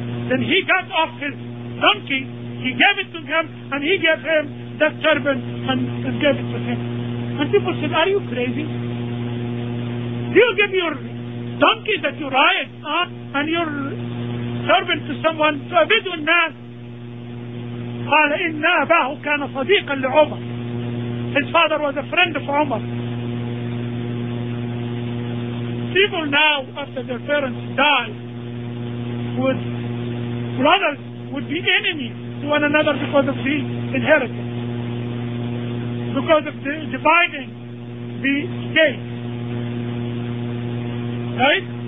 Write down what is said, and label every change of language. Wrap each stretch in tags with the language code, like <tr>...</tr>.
<en>Then he got off his donkey, he gave it to him, and he gave him that turban and gave it to him. And people said, are you crazy? You give your donkey that you ride on and your turban to someone, to a Bedouin man.</en> <ar>قال إن أباه كان صديقا لعمر.</ar> <en>His father was a friend of Umar. People now, after their parents died, would, brothers would be enemies to one another because of the inheritance, because of the dividing the estate, right?</en>